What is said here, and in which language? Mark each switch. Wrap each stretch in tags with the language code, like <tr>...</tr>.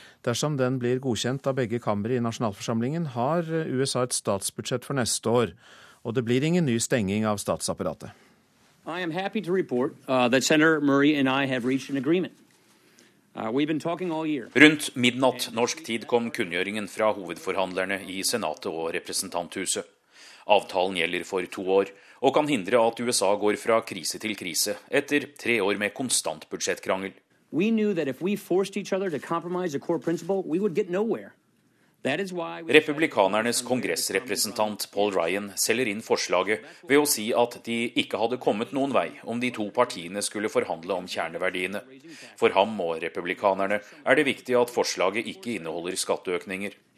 <no>Dersom den blir godkjent av begge kammer i nasjonalforsamlingen, har USA et statsbudsjett for neste år. Og det blir ingen ny stenging av statsapparatet.</no> <en>I am happy to report that Senator Murray and I have reached an agreement. We've been talking all year.</en> <no>Rundt midnatt norsk tid kom kunngjøringen fra hovedforhandlerne i senatet og representanthuset. Avtalen gjelder for to år, og kan hindre at USA går fra krise til krise etter tre år med konstant budsjettkrangel.</no> <en>We knew that if we forced each other to compromise a core principle, we would get nowhere.</en> <no>Republikanernes kongressrepresentant Paul Ryan selger inn forslaget ved å si at de ikke hadde kommet noen vei om de to partiene skulle forhandle om kjerneverdiene. For ham og republikanerne er det viktig at forslaget ikke inneholder skatteøkninger.</no>